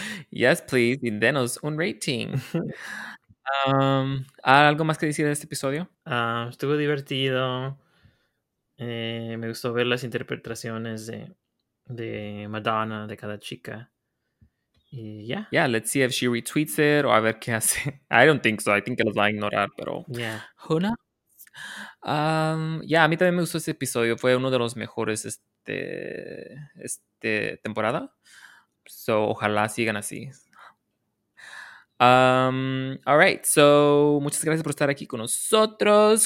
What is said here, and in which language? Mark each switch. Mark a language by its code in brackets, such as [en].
[en] Yes, please, [es] y denos un rating. ¿Algo más que decir de este episodio? Estuvo divertido. Me gustó ver las interpretaciones de Madonna, de cada chica. Y ya. [en] Yeah, let's see if she retweets it [es] o a ver qué hace. [en] I don't think so. I think [es] los va a ignorar, pero. [en] Yeah. ¿Huna? [es] Yeah, a mí también me gustó este episodio. Fue uno de los mejores este temporada. So, ojalá sigan así. [en] All right. [es] So, muchas gracias por estar aquí con nosotros.